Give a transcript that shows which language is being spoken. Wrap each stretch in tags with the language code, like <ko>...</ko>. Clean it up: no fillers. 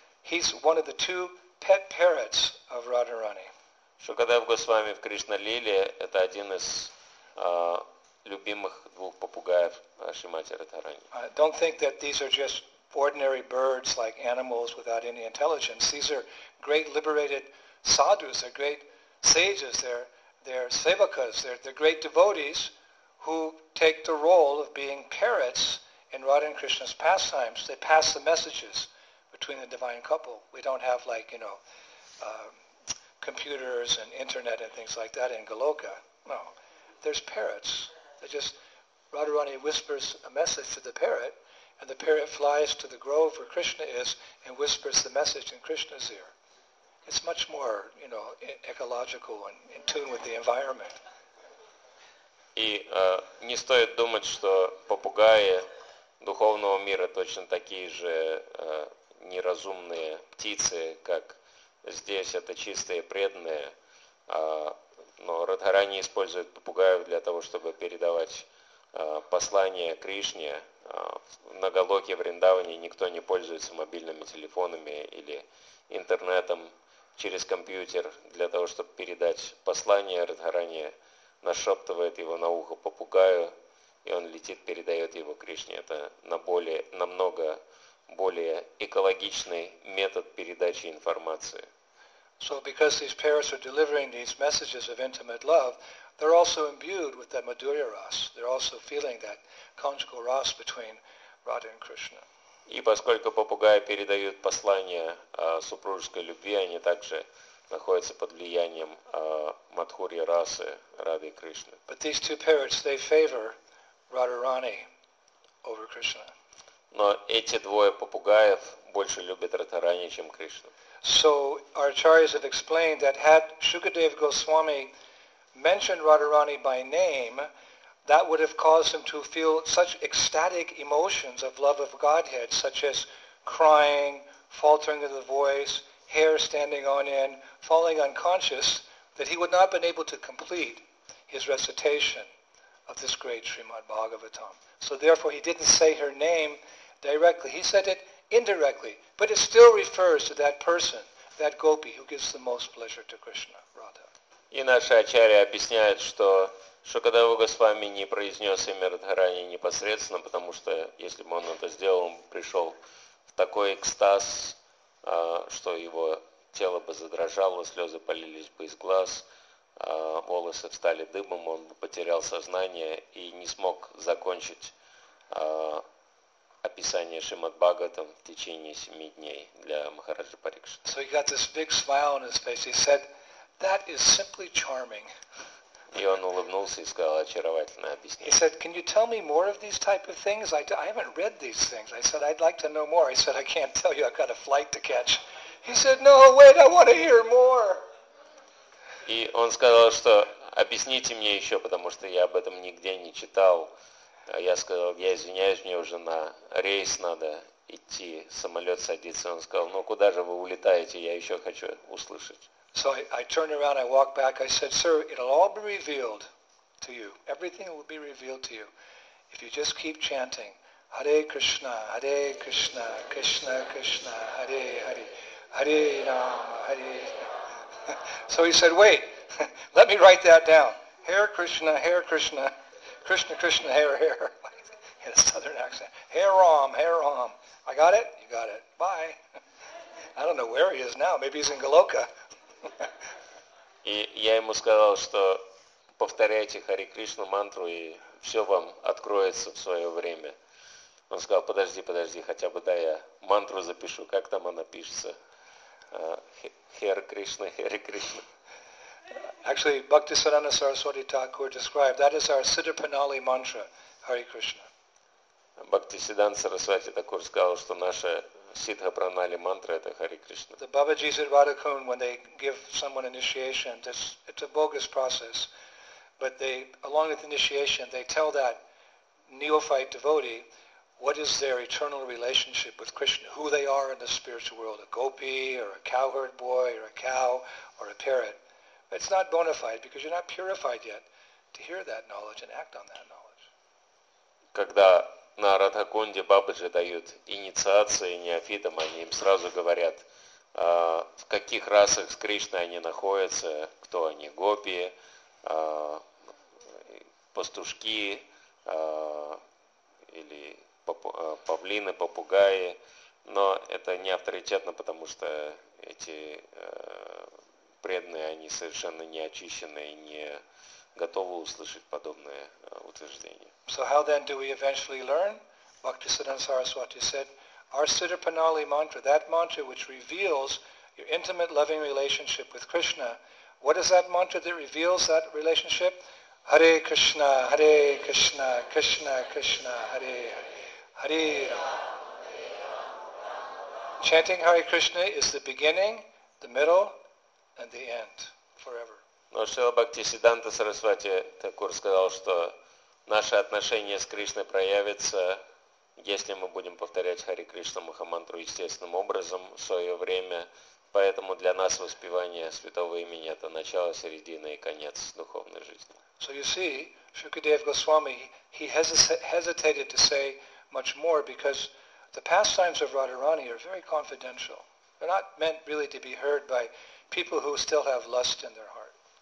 <en>He's one of the two pet parrots of Radharani.</en> <ru>Шукадев Госвами в Кришна-лиле это один из любимых двух попугаев Шримати Радхарани.</ru> <en>Don't think that these are just ordinary birds like animals without any intelligence. These are great liberated sadhus, they're great sages, they're sevakas, they're great devotees who take the role of being parrots in Radha and Krishna's pastimes. They pass the messages between the divine couple. We don't have computers and internet and things like that in Goloka. No. There's parrots. They just, Radharani whispers a message to the parrot and the parrot flies to the grove where Krishna is and whispers the message in Krishna's ear. It's much more, ecological and in tune with the environment.</en> <ru>И не стоит думать, что попугаи духовного мира точно такие же неразумные птицы, как здесь это чистые преданные, но Радхарани использует попугаев для того, чтобы передавать послание Кришне. На Голоке, в Риндаване никто не пользуется мобильными телефонами или интернетом через компьютер для того, чтобы передать послание. Радхарани нашептывает его на ухо попугаю, и он летит, передает его Кришне. Это намного более экологичный метод передачи информации.</ru> <en>So because these parrots are delivering these messages of intimate love, they're also imbued with that madhurya ras. They're also feeling that conjugal ras between Radha and Krishna.</en> <ru>И поскольку попугаи передают послание супружеской любви, они также находятся под влиянием мадхурья расы Рады и Кришны.</ru> <en>But these two parrots, they favor Radharani over Krishna.</en> <ru>Но эти двое попугаев больше любят Радхарани, чем Кришну.</ru> <en>So our acharyas have explained that had Shukadeva Goswami mentioned Radharani by name, that would have caused him to feel such ecstatic emotions of love of Godhead, such as crying, faltering of the voice, hair standing on end, falling unconscious, that he would not have been able to complete his recitation of this great Srimad Bhagavatam. So therefore he didn't say her name directly. He said it indirectly, but it still refers to that person, that gopi, who gives the most pleasure to Krishna, Radha.</en> <ru>И наши ачарьи объясняют, что Шукадева Госвами не произнес имя Радхарани непосредственно, потому что если бы он это сделал, он пришел в такой экстаз, что его тело бы задрожало, слезы полились бы из глаз, волосы встали дыбом, он бы потерял сознание и не смог закончить описание Шримад Бхагаватам в течение 7 дней для Махараджа Парикшита.</ru> <en>So he got this big smile on his face. He said, that is simply charming.</en> <ru>И он улыбнулся и сказал очаровательное объяснение.</ru> <en>He said, can you tell me more of these type of things? I haven't read these things. I said, I'd like to know more. I said, I can't tell you, I've got a flight to catch. He said, no, wait, I want to hear more.</en> <ru>И он сказал, что объясните мне еще, потому что я об этом нигде не читал. Я сказал, я извиняюсь, мне уже на рейс надо идти, самолет садится. Он сказал, ну куда же вы улетаете, я еще хочу услышать.</ru> <en>So I turned around, I walked back, I said, sir, it'll all be revealed to you. Everything will be revealed to you if you just keep chanting, Hare Krishna, Krishna Krishna, Hare Hare, Hare Rama, Hare Rama. So he said, wait, let me write that down. Hare Krishna, Krishna Krishna, Hare Hare. He had a southern accent. Hare Ram, I got it? You got it. Bye. I don't know where he is now, maybe he's in Goloka.</en> <ru>И я ему сказал, что повторяйте Хари Кришну мантру, и все вам откроется в свое время. Он сказал, подожди, хотя бы дай я мантру запишу, как там она пишется. Хари Кришна.</ru> <en>Actually, Bhaktisiddhanta Saraswati Thakur described, that is our Siddhapanali mantra, Hari Krishna.</en> <ru>Bhaktisiddhanta Saraswati Thakur сказал, что наша Сидха пранали мантра это Хари Кришна.</ru> <en>The Babaji's at Radhakund, when they give someone initiation, it's a bogus process, but they, along with initiation, they tell that neophyte devotee what is their eternal relationship with Krishna, who they are in the spiritual world, a gopi, or a cowherd boy, or a cow, or a parrot. But it's not bona fide, because you're not purified yet to hear that knowledge and act on that knowledge.</en> <ru>Когда на Радхакунде Бабаджи дают инициации неофитам, они им сразу говорят, в каких расах с Кришной они находятся, кто они, гопи, пастушки, или павлины, попугаи, но это не авторитетно, потому что эти преданные, они совершенно не очищены и не готовы услышать подобное утверждение.</ru> <en>So how then do we eventually learn? Bhaktisiddhanta Saraswati said, our Siddhapanali mantra, that mantra which reveals your intimate loving relationship with Krishna, what is that mantra that reveals that relationship? Hare Krishna, Krishna Krishna, Hare Hare. Chanting Hare Krishna is the beginning, the middle, and the end, forever.</en> <ru>Но Шрила Бхактисиддханта Сарасвати Такур сказал, что наше отношение с Кришной проявится, если мы будем повторять Хари Кришна Махамантру естественным образом в свое время. Поэтому для нас воспевание святого имени – это начало, середина и конец духовной жизни.</ru> <en>So you see, Shukadev Goswami, he hesitated to say much more because the pastimes of Radharani are very confidential. They're not meant really to be heard by people who still have lust in their heart.</en>